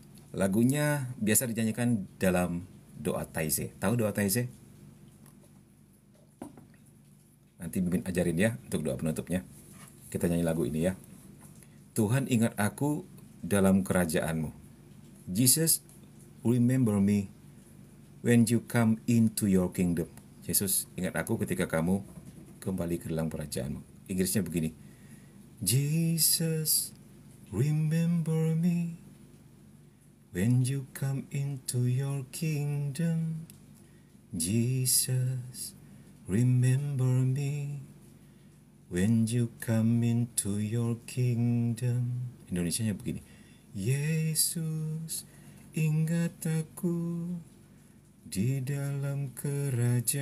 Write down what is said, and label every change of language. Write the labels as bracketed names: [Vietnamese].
[Indonesian] Lagunya biasa dinyanyikan dalam doa Taize. Tahu doa Taize? Nanti Mimin ajarin ya untuk doa penutupnya. Kita nyanyi lagu ini ya. Tuhan ingat aku dalam kerajaanmu. [English] Jesus, remember me when you come into your kingdom. [Indonesian] Yesus, ingat aku ketika kamu kembali ke dalam kerajaanmu. Inggrisnya begini. [English] Jesus, remember me when you come into your kingdom. Jesus, remember me when you come into your kingdom. [Indonesian] Indonesianya begini. Yesus, ingat aku di dalam kerajaanmu.